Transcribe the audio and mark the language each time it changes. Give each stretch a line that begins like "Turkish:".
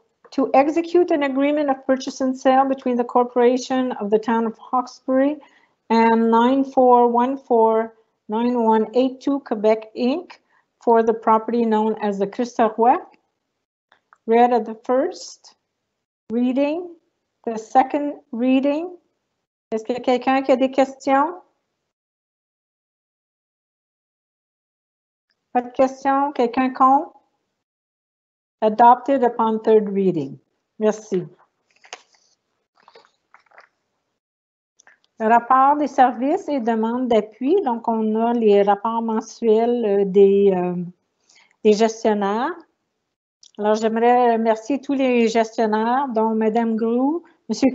English: To execute an agreement of purchase and sale between the corporation of the town of Hawkesbury and 94149182 Quebec Inc. for the property known as the Crystal Roy. Read at the first reading, the second reading.
French: Est-ce qu'il y a quelqu'un qui a des questions? Pas de questions? Quelqu'un contre?
English: Adopted upon third reading.
French: Merci. Le rapport des services et demandes d'appui. Donc, on a les rapports mensuels des gestionnaires. Alors, j'aimerais remercier tous les gestionnaires, dont Mme Grew, M.